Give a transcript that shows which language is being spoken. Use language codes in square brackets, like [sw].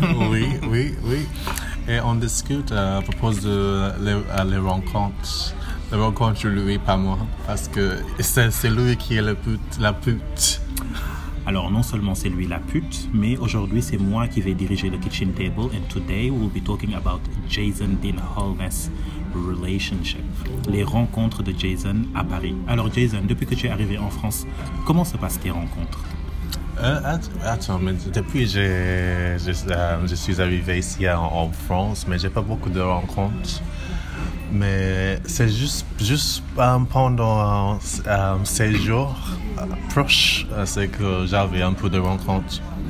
[fr] Oui. Et on discute à propos de les rencontres. La rencontre, lui, pas moi. Parce que c'est lui qui est la pute. Alors, non seulement c'est lui la pute, mais aujourd'hui, c'est moi qui vais diriger le [en] kitchen table. And today, we'll be talking about Jason Dean Holmes' relationship. [fr] Les rencontres de Jason à Paris. Alors, Jason, depuis que tu es arrivé en France, comment se passent tes rencontres? Attends, mais depuis que je suis arrivé ici en France, mais je n'ai pas beaucoup de rencontres. Mais c'est juste pendant un séjour proche, c'est que j'avais un peu de rencontres.